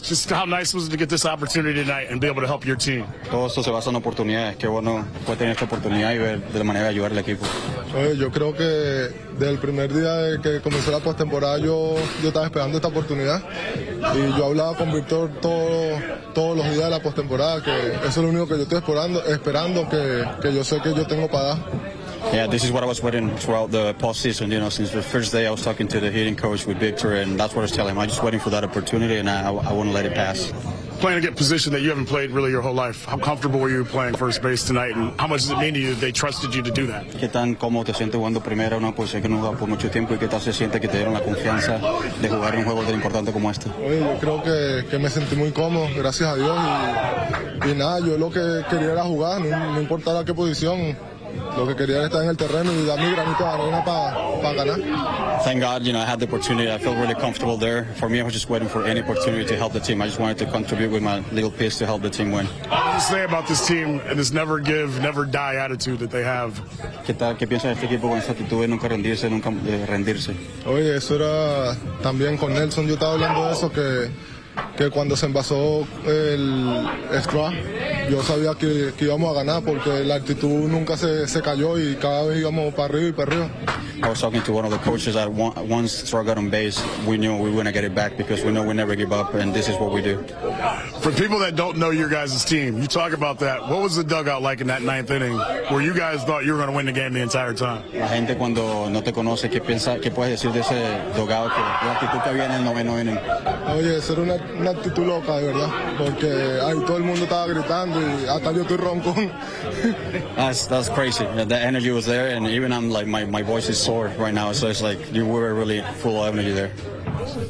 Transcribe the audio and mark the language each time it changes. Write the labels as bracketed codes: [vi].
[en] Just how nice was it to get this opportunity tonight and be able to help your team? [es] Todo esto se basa en oportunidades. Qué bueno fue tener esta oportunidad y ver de la manera de ayudar al equipo. Yo creo que del primer día de que comenzó la postemporada yo estaba esperando esta oportunidad y yo hablaba con Víctor todos los días de la postemporada que eso es lo único que yo estoy esperando que yo sé que yo tengo para dar. [en] Yeah, this is what I was waiting throughout the postseason, you know, since the first day I was talking to the hitting coach with Victor, and that's what I was telling him. I'm just waiting for that opportunity, and I wouldn't let it pass. Playing a good position that you haven't played really your whole life, how comfortable were you playing first base tonight, and how much does it mean to you that they trusted you to do that? [es] ¿Qué tan cómodo te sientes jugando primera, una posición que no jugaba por mucho tiempo, y qué tal se siente que te dieron la confianza de jugar un juego tan importante como este? Oye, yo creo que me sentí muy cómodo, gracias a Dios, y nada, yo lo que quería era jugar, no importaba qué posición. Lo que quería era estar en el terreno y dar mi granito de arena para ganar. [en] Thank God, you know, I had the opportunity. I felt really comfortable there. For me, I was just waiting for any opportunity to help the team. I just wanted to contribute with my little piece to help the team win. What do you say about this team and this never give, never die attitude that they have? [es] ¿Qué tal? ¿Qué piensas de este equipo con esa actitud de nunca rendirse, nunca rendirse? Oye, eso era también con Nelson. Yo estaba hablando de eso, que cuando se envasó el extra, yo sabía que íbamos a ganar porque la actitud nunca se cayó y cada vez íbamos para arriba y para arriba. [en] I was talking to one of the coaches that once Stra got on base, we knew we were going to get it back because we know we never give up and this is what we do. For people that don't know your guys' team, you talk about that. What was the dugout like in that ninth inning where you guys thought you were going to win the game the entire time? [es] La gente cuando no te conoce, ¿qué piensa, qué puedes decir de ese dugout, que la actitud que había en el noveno inning? Oye, eso era una actitud loca, de verdad, porque ahí todo el mundo estaba gritando. [en] That's crazy. The energy was there, and even I'm like, my voice is sore right now. So it's like, you were really full of energy there.